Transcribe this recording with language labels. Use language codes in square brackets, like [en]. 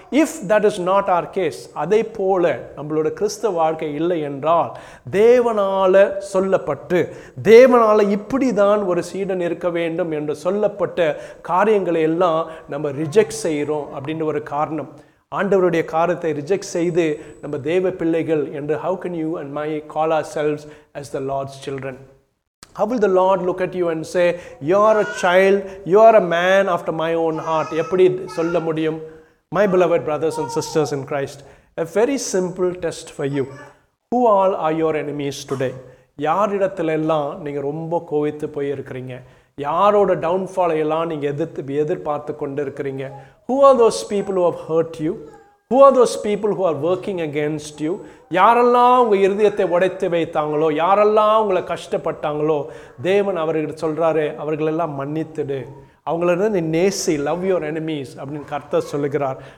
[en] if that is not our case, [ta] அதே போல நம்மளோட கிறிஸ்தவ வாழ்க்கை இல்லை என்றால், தேவனால சொல்லப்பட்டு தேவனால இப்படி தான் ஒரு சீடன் இருக்க வேண்டும் என்று சொல்லப்பட்ட காரியங்களை எல்லாம் நம்ம ரிஜெக்ட் செய்கிறோம் அப்படின்ற ஒரு காரணம். ஆண்டவருடைய காரியத்தை ரிஜெக்ட் செய்து நம்ம தேவ பிள்ளைகள் என்று, [en] How can you and I call ourselves as the Lord's children? How will the Lord look at you and say, you are a child, you are a man after my own heart? [ta] எப்படி சொல்ல முடியும்? [en] My beloved brothers and sisters in Christ, a very simple test for you. Who all are your enemies today? [ta] யாரிடத்திலெல்லாம் நீங்கள் ரொம்ப கோவித்து போயிருக்கிறீங்க? யாரோட டவுன்ஃபாலை எல்லாம் நீங்கள் எதிர்பார்த்து கொண்டு இருக்கிறீங்க? [en] Who are those people who have hurt you? Who are those people who are working against you? [ta] யாரெல்லாம் உங்கள் இருதயத்தை உடைத்து வைத்தாங்களோ, யாரெல்லாம் உங்களை கஷ்டப்பட்டாங்களோ, தேவன் அவர்கள் சொல்கிறாரு, அவர்களெல்லாம் மன்னித்துடு, அவங்களிருந்து நீ நேசி, [en] love your enemies [ta] அப்படின்னு கர்த்தர் சொல்லுகிறார்.